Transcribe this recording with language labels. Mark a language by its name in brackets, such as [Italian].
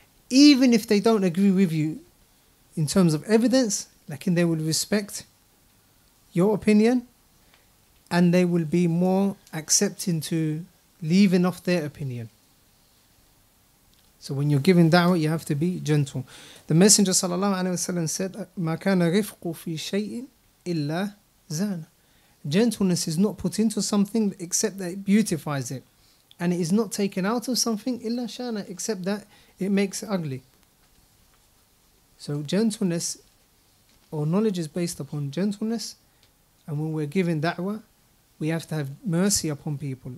[English] Even if they don't agree with you in terms of evidence, like they will respect your opinion and they will be more accepting to leaving off their opinion. So when you're giving da'wah, you have to be gentle. The Messenger sallallahu alaihi wasallam said, [Arabic] مَا كَانَ رِفْقُ فِي شَيْءٍ إِلَّا زَانَ. [English] Gentleness is not put into something except that it beautifies it. And it is not taken out of something [Arabic] illa shana, [English] except that it makes it ugly. So gentleness or knowledge is based upon gentleness. And when we're giving da'wah, we have to have mercy upon people.